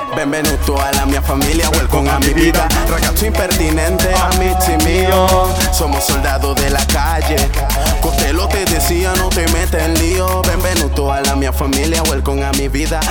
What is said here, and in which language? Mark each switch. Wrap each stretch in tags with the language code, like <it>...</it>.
<it>Benvenuto a la mia famiglia,</it> <en>welcome a mi vita.</en> <it>Ragazzo impertinente, amici mio.</it> <es>Somos soldados de la calle. Costello te decía, no te metes en lío.</es> <it>Benvenuto a la mia famiglia,</it> <en>welcome a mi vita.</en>